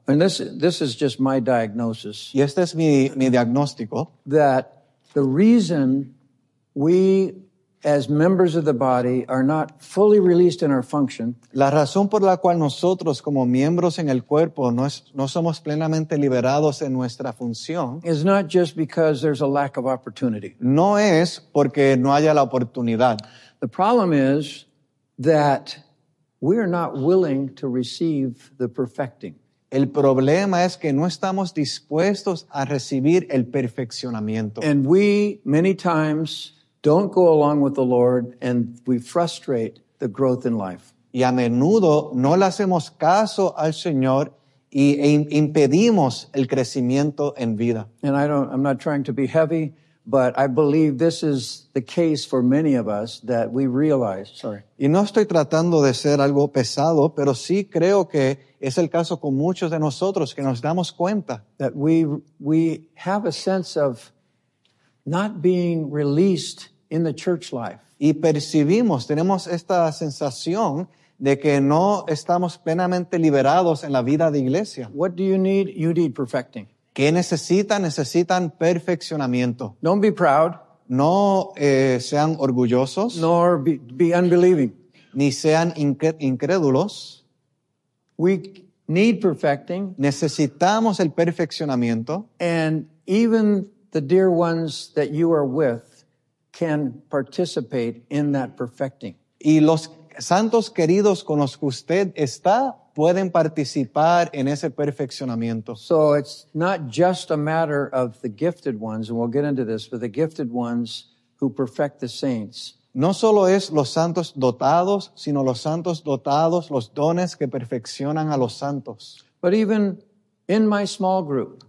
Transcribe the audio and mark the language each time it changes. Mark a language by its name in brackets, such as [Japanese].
[English] And this is just my diagnosis. [Spanish] Y este es mi diagnóstico. [English] That the reason we as members of the body are not fully released in our function. [Spanish] La razón por la cual nosotros como miembros en el cuerpo no somos plenamente liberados en nuestra función [English] is not just because there's a lack of opportunity. [Spanish] No es porque no haya la oportunidad. [English] The problem is that we are not willing to receive the perfecting. [Spanish] El problema es que no estamos dispuestos a recibir el perfeccionamiento. [English] And we many times don't go along with the Lord and we frustrate the growth in life. [Spanish] Y a menudo no le hacemos caso al Señor y impedimos el crecimiento en vida. [English] And I'm not trying to be heavy, but I believe this is the case for many of us that we realize. Sorry. [Spanish] Y no estoy tratando de ser algo pesado, pero sí creo que es el caso con muchos de nosotros que nos damos cuenta [English] that we have a sense of not being released in the church life. [Spanish] Y percibimos, tenemos esta sensación de que no estamos plenamente liberados en la vida de iglesia. [English] What do you need? You need perfecting. [Spanish] ¿Qué necesitan? Necesitan perfeccionamiento. [English] Don't be proud. [Spanish] No sean orgullosos. [English] Nor be unbelieving. [Spanish] Ni sean incrédulos. [English] We need perfecting. [Spanish] Necesitamos el perfeccionamiento. [English] And even the dear ones that you are with can participate in that perfecting. [Spanish] Y los santos queridos con los que usted está pueden participar en ese perfeccionamiento. [English] So it's not just a matter of the gifted ones, and we'll get into this, but the gifted ones who perfect the saints. [Spanish] No solo es los santos dotados, sino los santos dotados, los dones que perfeccionan a los santos. [English] But even in my small group.